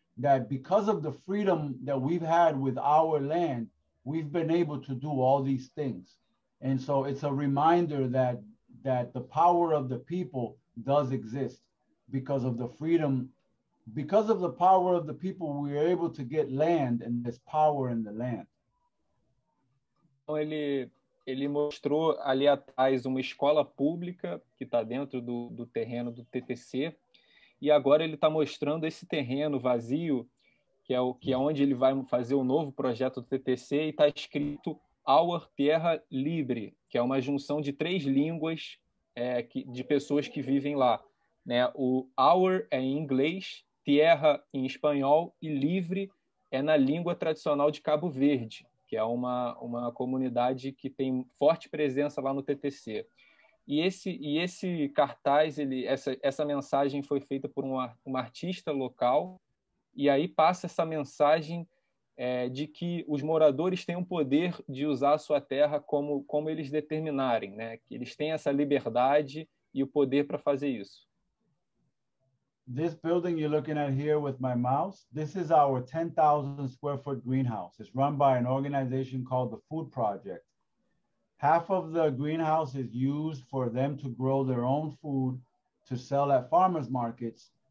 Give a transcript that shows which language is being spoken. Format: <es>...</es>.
<en>That because of the freedom that we've had with our land, we've been able to do all these things. And so it's a reminder that the power of the people does exist because of the freedom. Because of the power of the people, we are able to get land and there's power in the land.</en> <pt>Então ele mostrou ali atrás uma escola pública que está dentro do terreno do TTC. E agora ele está mostrando esse terreno vazio, que é onde ele vai fazer o novo projeto do TTC, e está escrito Our Terra Libre, que é uma junção de três línguas de pessoas que vivem lá. Né? O Our é em inglês, Terra em espanhol, e Livre é na língua tradicional de Cabo Verde, que é uma comunidade que tem forte presença lá no TTC. E esse cartaz, essa mensagem foi feita por um artista local, e aí passa essa mensagem de que os moradores têm o poder de usar a sua terra como eles determinarem, né? Que eles têm essa liberdade e o poder para fazer isso.</pt> <en>This building you're looking at here with my mouse, this is our 10,000 square foot greenhouse. It's run by an organization called the Food Project. Half of the greenhouse is used for them to grow their own food to sell at farmers markets.</en>